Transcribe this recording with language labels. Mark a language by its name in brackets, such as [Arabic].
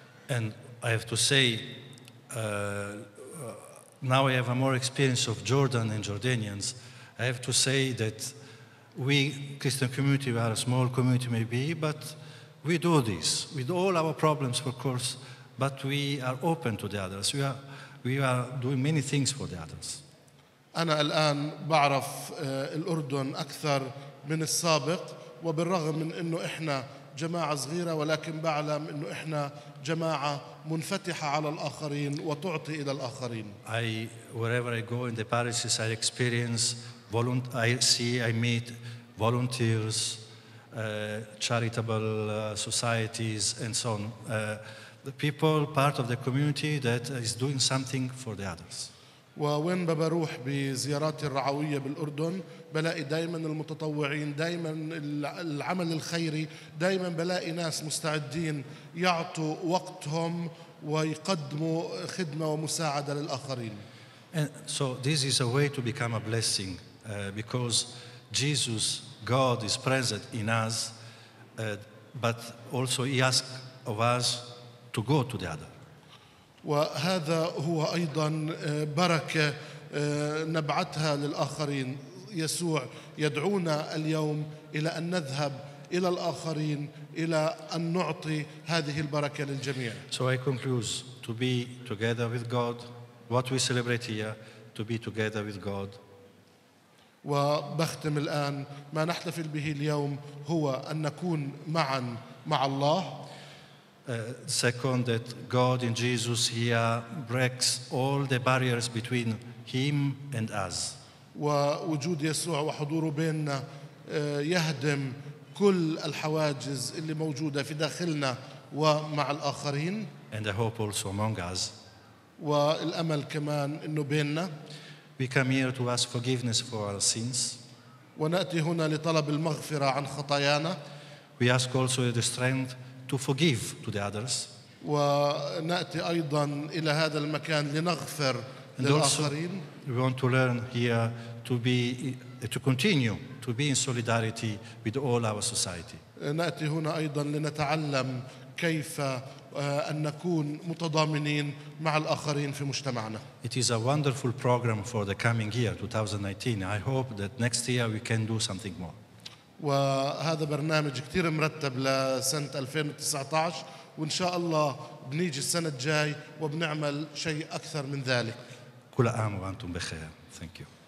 [English] And I have to say, now I have a more experience of Jordan and Jordanians. I have to say that we, Christian community, we are a small community maybe, but we do this with all our problems, of course, but we are open to the others. We are doing many things for the others. [Arabic] أنا الآن بعرف الأردن أكثر من السابق، وبالرغم من إنه إحنا جماعة صغيرة، ولكن بعلم إنه إحنا جماعة منفتحة على الآخرين وتعطي إلى الآخرين. [English] Wherever I go in the parishes, I experience I see, I meet volunteers, charitable societies, and so on. The people, part of the community, that is doing something for the others. [Arabic] ووين بروح بزياراتي الرعوية بالأردن بلاقي دايماً المتطوعين، دايماً العمل الخيري، دايماً بلاقي ناس مستعدين يعطوا وقتهم ويقدموا خدمة ومساعدة للآخرين. [English] And so this is a way to become a blessing because Jesus, God, is present in us, but also He asks of us to go to the other. [Arabic] وهذا هو أيضا بركة نبعتها للآخرين. يسوع يدعونا اليوم إلى أن نذهب إلى الآخرين، إلى أن نعطي هذه البركة للجميع. [English] So I conclude to be together with God. What we celebrate here, to be together with God. [Arabic] وبختم الآن ما نحتفل به اليوم هو أن نكون معا مع الله. [English] Second, that God in Jesus here breaks all the barriers between Him and us. [Arabic] ووجود يسوع وحضوره بيننا يهدم كل الحواجز اللي موجودة في داخلنا ومع الآخرين. [English] And I hope also among us. [Arabic] والأمل كمان إنه بيننا. [English] We come here to ask forgiveness for our sins. [Arabic] ونأتي هنا لطلب المغفرة عن خطايانا. [English] We ask also the strength to forgive to the others. [Arabic] ونأتي أيضا إلى هذا المكان لنغفر للآخرين. [English] We want to learn here to be, to continue to be in solidarity with all our society. [Arabic] نأتي هنا أيضا لنتعلم كيف أن نكون متضامنين مع الآخرين في مجتمعنا. [English] It is a wonderful program for the coming year 2019. I hope that next year we can do something more. [Arabic] وهذا برنامج كتير مرتب لسنة 2019 وإن شاء الله بنيجي السنة الجاي وبنعمل شيء أكثر من ذلك. كل عام وأنتم بخير. [English] Thank you.